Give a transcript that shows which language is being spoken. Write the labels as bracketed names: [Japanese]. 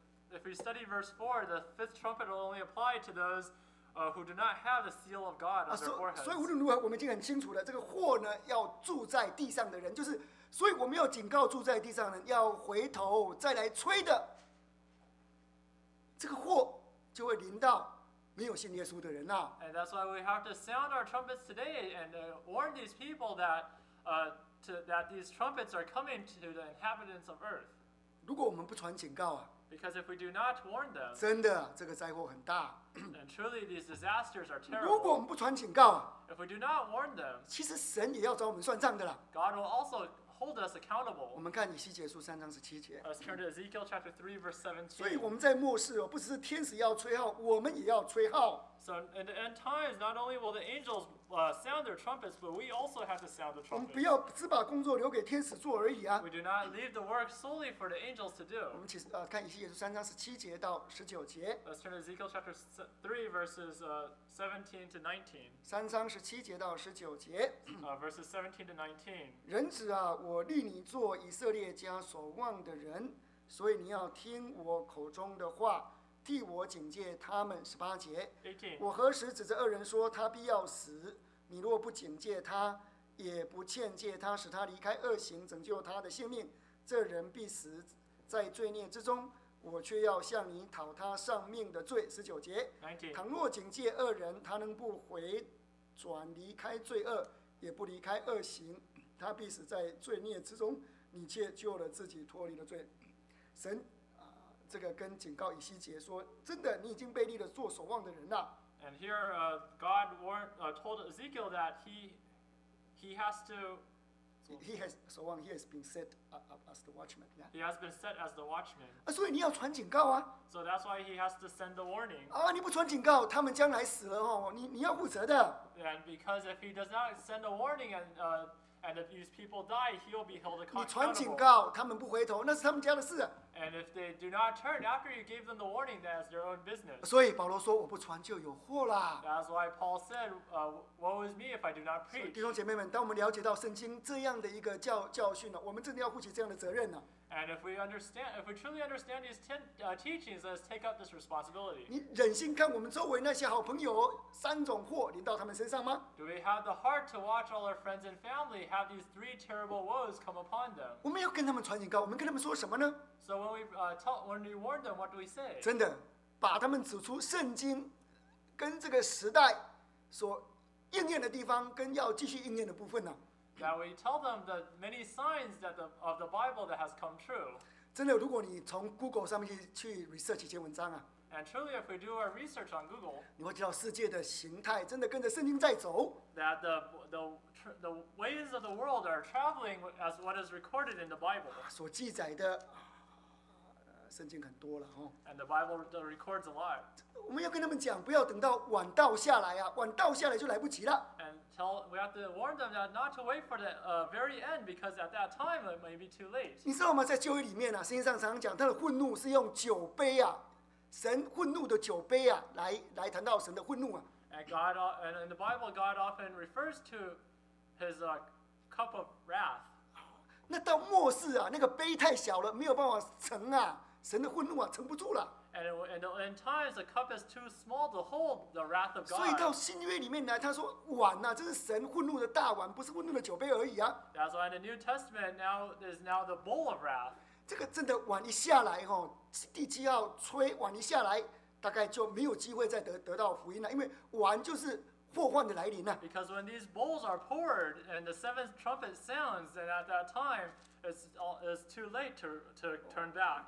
[English] If we study verse 4, the fifth trumpet will only apply to those. Who do not have the seal of God on their foreheads. [Chinese] 所以无论如何，我们已经很清楚了，这个祸呢，要住在地上的人，就是，所以我们要警告住在地上的人，要回头再来吹的，这个祸就会临到没有信耶稣的人啊。 [English] And that's why we have to sound our trumpets today and warn these people that these trumpets are coming to the inhabitants of earth. [Chinese] 如果我们不传警告啊。 [English] Because if we do not warn them, [Chinese] 真的，这个灾祸很大。 [English] And truly, these disasters are terrible. [Chinese] 如果我们不传警告啊， [English] if we do not warn them, [Chinese] 其实神也要找我们算账的啦。 [English] God will also hold us accountable. [Chinese] 我们看以西结书三章十七节。 [English] Let's turn to Ezekiel chapter 3, verse 17. [Chinese] 所以我们在末世哦，不只是天使要吹号，我们也要吹号。 [English] So in the end times, not only will the angels sound their trumpets, but we also have to sound the trumpets. [Chinese] 我们不要只把工作留给天使做而已啊。 [English] We do not leave the work solely for the angels to do. [Chinese] 我们其实看以西结书三章十七节到十九节。 [English] Let's turn to Ezekiel chapter 3, verses 17 to 19. [Chinese] 三章十七节到十九节。 [English] Verses 17 to 19. [Chinese] 人子啊，我立你做以色列家所望的人，所以你要听我口中的话。替我警戒他们十八节。 [English] 18. [Chinese] 我何时指着恶人说他必要死？你若不警戒他，也不劝诫他，使他离开恶行，拯救他的性命，这人必死在罪孽之中。我却要向你讨他上命的罪。十九节。 [English] 19. [Chinese] 倘若警戒恶人，他能不回转离开罪恶，也不离开恶行，他必死在罪孽之中。你却救了自己脱离了罪。神。这个跟警告以西结说，真的，你已经被立了做守望的人了。 [English] And here, God warned, told Ezekiel that he has to. He has [Chinese] 守望 [English] He has been set up as the watchman.、Yeah. He has been set as the watchman. [Chinese] 啊，所以你要传警告啊。 [English] So that's why he has to send the warning. [Chinese] 啊，你不传警告，他们将来死了哦，你要负责的。 [English] And because if he does not send a warning and if these people die, he will be held accountable. [Chinese] 你传警告，他们不回头，那是他们家的事。 [English] And if they do not turn after you gave them the warning, that is their own business. [Chinese] 所以保罗说，我不传就有祸啦。 [English] That's why Paul said, "Woe is me if I do not preach." [Chinese] 弟兄姐妹们，当我们了解到圣经这样的一个教训呢，我们真的要负起这样的责任呢。 [English] And if we understand, if we truly understand these ten teachings, let's take up this responsibility. [Chinese] 你忍心看我们周围那些好朋友三种祸临到他们身上吗？ [English] Do we have the heart to watch all our friends and family have these three terrible woes come upon them? [Chinese] 我们要跟他们传警告，我们跟他们说什么呢？ [English] So when we when we warn them, what do we say? [Chinese] 真的，把他们指出圣经跟这个时代所应验的地方，跟要继续应验的部分呢？ [English] That we tell them the many signs that the of the Bible that has come true. [Chinese] 真的，如果你从 Google 上面去 research 一些文章啊。 [English] And truly, if we do our research on Google, [Chinese] 你会知道世界的形态真的跟着圣经在走。 [English] That the ways of the world are traveling as what is recorded in the Bible. [Chinese] 所记载的，圣经很多了哦。 [English] And the Bible records a lot. [Chinese] 我们要跟他们讲，不要等到晚到下来啊，晚到下来就来不及了。 [English] We have to warn them that not to wait for the very end because at that time it may be too late. [Chinese] 你知道吗？在旧约里面啊，圣经上常讲他的愤怒是用酒杯啊，神愤怒的酒杯啊，来谈到神的愤怒啊。 [English] And God, and in the Bible, God often refers to his cup of wrath. [Chinese] 那到末世啊，那个杯太小了，没有办法盛啊，神的愤怒啊，盛不住了。 [English] And in the end times, the cup is too small to hold the wrath of God. [Chinese] 所以到新约里面来，他说碗啊，这是神愤怒的大碗，不是愤怒的酒杯而已啊。 [English] That's why in the New Testament now is now the bowl of wrath. [Chinese] 这个真的碗一下来哈，地基要吹碗一下来，大概就没有机会再得到福音了，因为碗就是祸患的来临啊。 [English] Because when these bowls are poured and the seventh trumpet sounds, then at that time. It's too late to turn back.